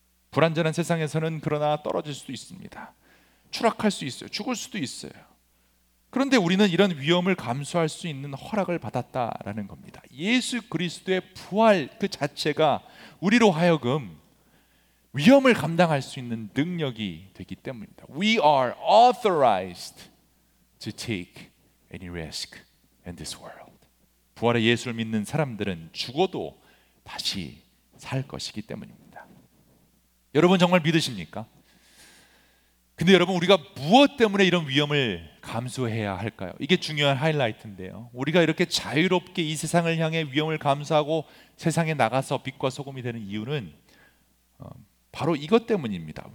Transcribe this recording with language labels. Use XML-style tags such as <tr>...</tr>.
<ko>불완전한 세상에서는 그러나 떨어질 수도 있습니다. 추락할 수 있어요. 죽을 수도 있어요. 그런데 우리는 이런 위험을 감수할 수 있는 허락을 받았다라는 겁니다. 예수 그리스도의 부활 그 자체가 우리로 하여금 위험을 감당할 수 있는 능력이 되기 때문입니다.</ko> <en>We are authorized to take any risk in this world.</en> <ko>부활의 예수를 믿는 사람들은 죽어도 다시 살 것이기 때문입니다. 여러분 정말 믿으십니까? 근데 여러분, 우리가 무엇 때문에 이런 위험을 감수해야 할까요? 이게 중요한 하이라이트인데요. 우리가 이렇게 자유롭게 이 세상을 향해 위험을 감수하고 세상에 나가서 빛과 소금이 되는 이유는 바로 이것 때문입니다.</ko>